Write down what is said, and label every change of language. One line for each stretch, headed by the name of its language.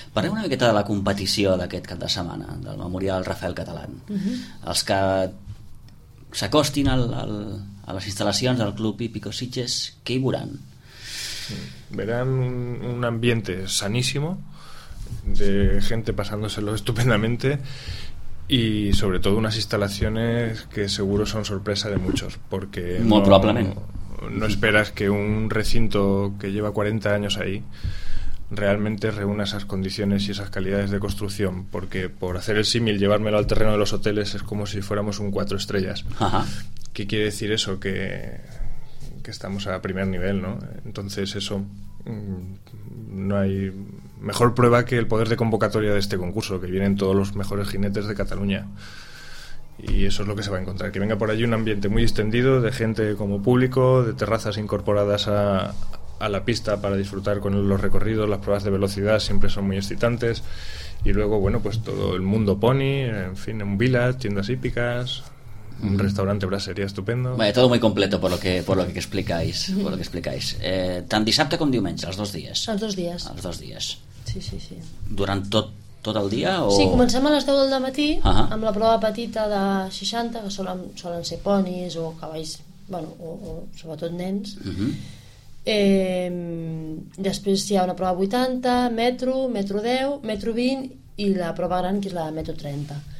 Catalan: Parlem una miqueta de la competició d'aquest cap de setmana, del Memorial Rafael Catalán. Uh-huh. Els que s'acostin a les instal·lacions del Club Hípico Sitges, què hi veuran?
Spanish: Verán un ambiente sanísimo, de gente pasándoselo estupendamente, y sobre todo unas instalaciones que seguro son sorpresa de muchos, porque muy probablemente no esperas que un recinto que lleva 40 años ahí realmente reúna esas condiciones y esas calidades de construcción, porque por hacer el símil, llevármelo al terreno de los hoteles es como si fuéramos un 4 estrellas. Ajá. ¿Qué quiere decir eso? Que estamos a primer nivel, ¿no? Entonces eso, no hay mejor prueba que el poder de convocatoria de este concurso, que vienen todos los mejores jinetes de Cataluña, y eso es lo que se va a encontrar, que venga por allí un ambiente muy distendido, de gente como público, de terrazas incorporadas a la pista para disfrutar con los recorridos. Las pruebas de velocidad siempre son muy excitantes, y luego, bueno, pues todo el mundo pony, en fin, un village, tiendas hípicas, un restaurante brasería estupendo. Vale, todo muy completo por lo que explicáis.
Catalan: Tan dissabte com diumenge, els dos dies. Els dos dies. Els dos dies. Sí, sí, sí. Durant tot el dia o... Sí, comencem a les 10 del matí amb la prova petita de 60, que solen ser ponis o cavalls, bueno, o sobretot nens. Després hi ha una prova 80, metro, metro 10, metro 20 i la prova gran, que és la de metro 30.